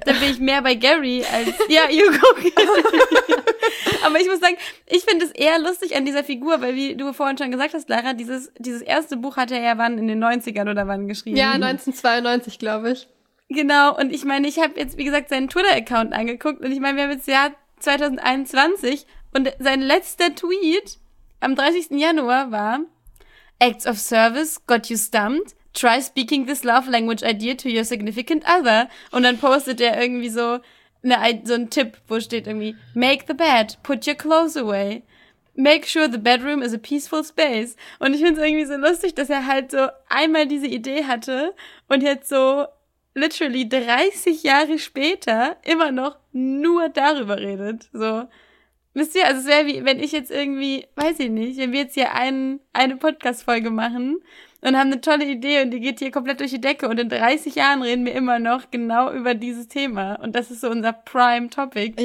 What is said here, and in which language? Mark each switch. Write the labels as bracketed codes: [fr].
[de] Da bin ich mehr bei Gary als... Ja, [en] you go [de] Gary. Aber ich muss sagen, ich finde es eher lustig an dieser Figur, weil wie du vorhin schon gesagt hast, Lara, dieses erste Buch hat er ja wann in den 90ern oder wann geschrieben? Ja, 1992, glaube ich. Genau, und ich meine, ich habe jetzt, wie gesagt, seinen Twitter-Account angeguckt und ich meine, wir haben jetzt ja 2021 und sein letzter Tweet am 30. Januar war: [en] Acts of service got you stumped. Try speaking this love language idea to your significant other. [de] Und dann postet er irgendwie so einen Tipp, wo steht irgendwie: [en] Make the bed, put your clothes away. Make sure the bedroom is a peaceful space. [de] Und ich find's irgendwie so lustig, dass er halt so einmal diese Idee hatte und jetzt so literally 30 Jahre später immer noch nur darüber redet. So, wisst ihr, also es wäre wie, wenn ich jetzt irgendwie, weiß ich nicht, wenn wir jetzt hier eine Podcast-Folge machen und haben eine tolle Idee und die geht hier komplett durch die Decke und in 30 Jahren reden wir immer noch genau über dieses Thema und das ist so unser Prime-Topic.